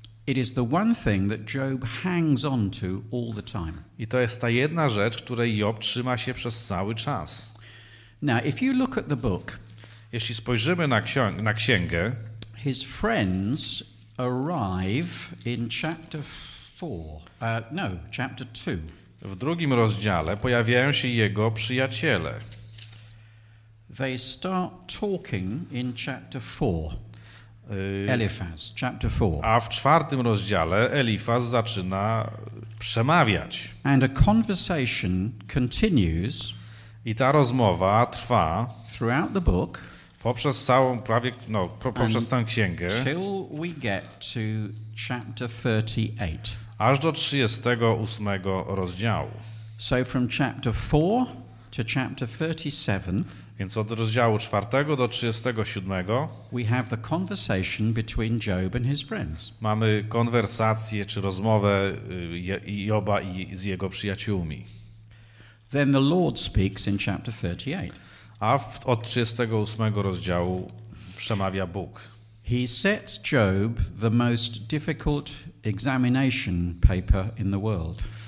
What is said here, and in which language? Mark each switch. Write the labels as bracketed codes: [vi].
[en] It is the one thing that Job hangs on to all the time. [pl] I to jest ta jedna rzecz, której Job trzyma się przez cały czas. [en] Now, if you look at the book, [pl] jeśli spojrzymy na księgę, [en] his friends arrive in chapter 2. [pl] W drugim rozdziale pojawiają się jego przyjaciele. [en] They start talking in chapter 4. Eliphaz, chapter 4. [pl] A w czwartym rozdziale Eliphaz zaczyna przemawiać. [en] And a conversation continues. [pl] I ta rozmowa trwa [en] throughout the book. [pl] Poprzez całą prawie no poprzez tę księgę. [en] Till we get to chapter 38. [pl] Aż do 38 rozdziału. [en] So from chapter 4 to chapter 37. [pl] Więc od rozdziału 4 do 37. [en] We have the conversation between Job and his friends. [pl] Mamy konwersację czy rozmowę Joba i z jego przyjaciółmi. [en] Then the Lord speaks in chapter 38. [pl] A od 38 rozdziału przemawia Bóg. [en] He sets Job the most difficult examination paper in the world.